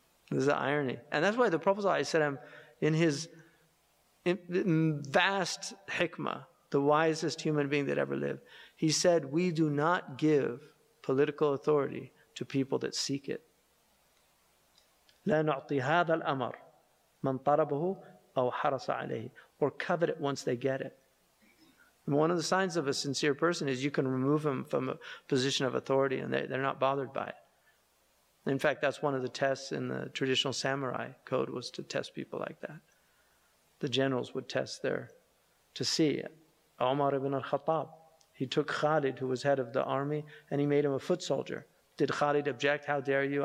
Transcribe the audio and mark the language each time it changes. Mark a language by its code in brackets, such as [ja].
[en] This is the irony. And that's why the Prophet ﷺ, in his vast hikmah, the wisest human being that ever lived, he said, we do not give political authority to people that seek it. [ar] لَا نُعْطِي هَذَا الْأَمَرْ مَنْ طَرَبَهُ أَوْ حَرَصَ عَلَيْهِ, [en] or covet it once they get it. And one of the signs of a sincere person is you can remove them from a position of authority and they're not bothered by it. In fact, that's one of the tests in the traditional samurai code, was to test people like that. The generals would test there to see. Umar ibn al-Khattab, he took Khalid, who was head of the army, and he made him a foot soldier. Did Khalid object? How dare you?